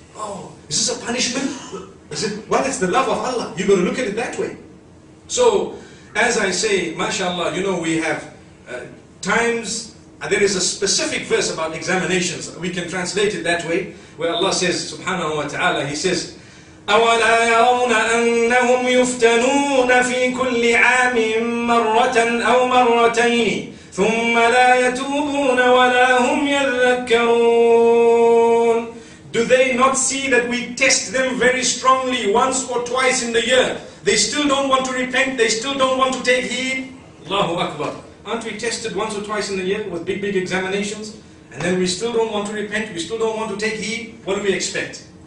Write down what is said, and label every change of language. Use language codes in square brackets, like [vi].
[en] Oh, is this a punishment? Is it? Well, it's the love of Allah. You've got to look at it that way. So, as I say, mashallah, you know, we have times, there is a specific verse about examinations. We can translate it that way, where Allah says, subhanahu wa ta'ala, He says, [ar] أولا يرون أنهم يفتنون في كل عام مرة أو مرتين ثم لا يتوبون ولا هم يذكرون. [en] Do they not see that we test them very strongly once or twice in the year? They still don't want to repent, they still don't want to take heed. [ar] Allahu Akbar. [en] Aren't we tested once or twice in the year with big examinations? And then we still don't want to repent, we still don't want to take heed. What do we expect?